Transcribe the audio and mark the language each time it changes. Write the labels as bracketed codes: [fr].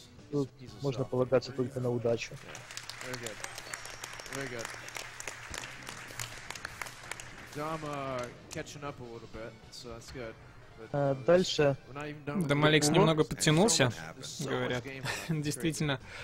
[ru] Тут можно полагаться только на удачу. [en] Very good. Dom catching up a little bit, so that's good. [ru] Дальше. Дом Алекс немного подтянулся, говорят. Действительно.